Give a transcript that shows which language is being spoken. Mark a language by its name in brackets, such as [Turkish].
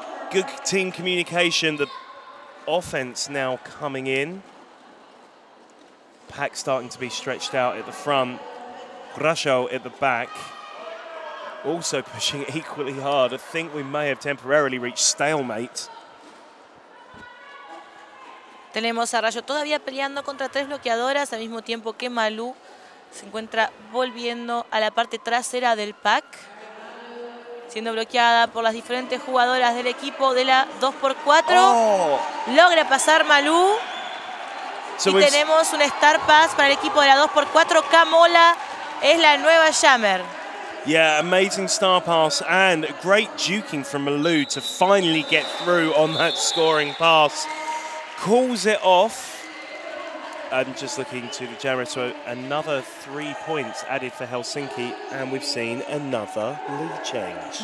[English] Good team communication. The offense now coming in. Pack starting to be stretched out at the front. Grasho at the back. Also pushing equally hard. I think we may have temporarily reached stalemate. [Spanish] Tenemos a Rayo todavía peleando contra 3 bloqueadoras, al mismo tiempo que Malou se encuentra volviendo a la parte trasera del pack, siendo bloqueada por las diferentes jugadoras del equipo de la 2x4. Oh. Logra pasar Malou. So y tenemos un star pass para el equipo de la 2x4. Camola es la nueva jammer. [English] Yeah, amazing star pass and great duking from Malou to finally get through on that scoring pass. Calls it off. I'm just looking to the camera. So another 3 points added for Helsinki, and we've seen another lead change.